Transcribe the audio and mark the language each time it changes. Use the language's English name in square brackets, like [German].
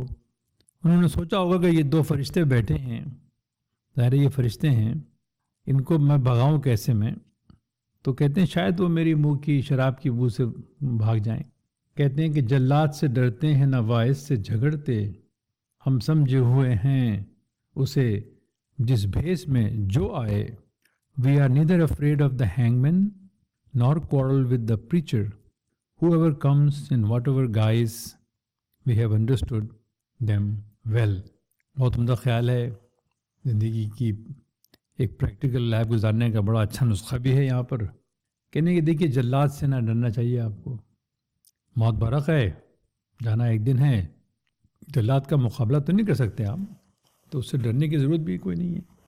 [Urdu] انہوں نے سوچا ہوگا کہ یہ دو فرشتے بیٹھے ہیں، ظاہر ہے یہ فرشتے ہیں، ان کو میں بھگاؤں کیسے میں. تو کہتے ہیں شاید وہ میری منہ کی شراب کی بو سے بھاگ جائیں. کہتے ہیں کہ جلاد سے ڈرتے ہیں نہ وائس سے جھگڑتے، ہم سمجھے ہوئے ہیں اسے جس بھیس میں جو آئے. [English] We are neither afraid of the hangman nor quarrel with the preacher, whoever comes in whatever guise we have understood them well. [Urdu] بہت عمدہ خیال ہے، زندگی کی ایک پریکٹیکل لائف گزارنے کا بڑا اچھا نسخہ بھی ہے یہاں پر. کہنے کہ دیکھیے جلاد سے نہ ڈرنا چاہیے آپ کو، موت برق ہے، جانا ایک دن ہے، جلاد کا مقابلہ تو نہیں کر سکتے آپ، تو اس سے ڈرنے کی ضرورت بھی کوئی نہیں ہے.